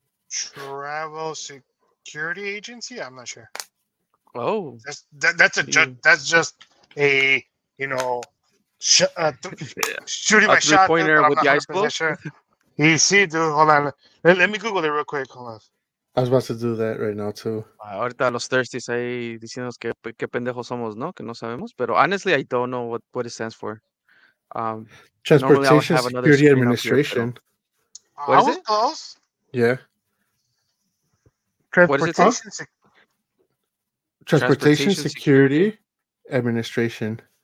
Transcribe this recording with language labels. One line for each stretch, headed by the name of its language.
English: Travel Security Agency. I'm not sure. Oh, that's just a you know, shooting my shot pointer with the ice balls. You see, dude, hold on. Let me Google it real quick. Hold on. I was about to do that right now, too.
Spanish: Ahorita los thirsties ahí diciéndonos que pendejos somos, ¿no? Que no sabemos.
English: Pero honestly, I don't know what it stands for. Transportation Security Administration. What is it? Close. Yeah. Transportation Security Administration.